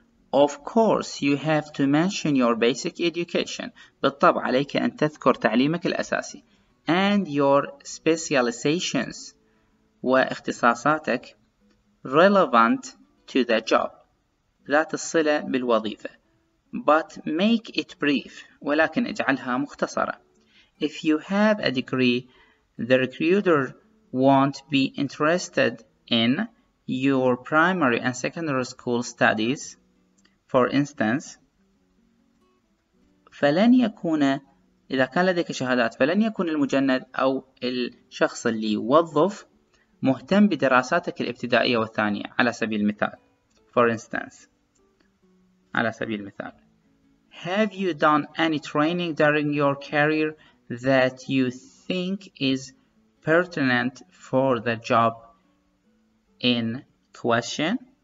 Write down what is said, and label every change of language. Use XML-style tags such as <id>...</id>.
<en>Of course, you have to mention your basic education.</en> <ar>بالطبع عليك أن تذكر تعليمك الأساسي.</ar> <en>And your specializations واختصاصاتك relevant to the job.</en> <ar>ذات الصلة بالوظيفة.</ar> <en>But make it brief.</en> <ar>ولكن اجعلها مختصرة.</ar> <en>If you have a degree, the recruiter won't be interested in your primary and secondary school studies, for instance.</en> <ar>فلن يكون إذا كان لديك شهادات، فلن يكون المجند أو الشخص اللي يوظف مهتم بدراساتك الابتدائية والثانية على سبيل المثال.</ar> <en>For instance،</en> <ar>على سبيل المثال.</ar> <en>Have you done any training during your career that you think is pertinent for the job in question؟</en>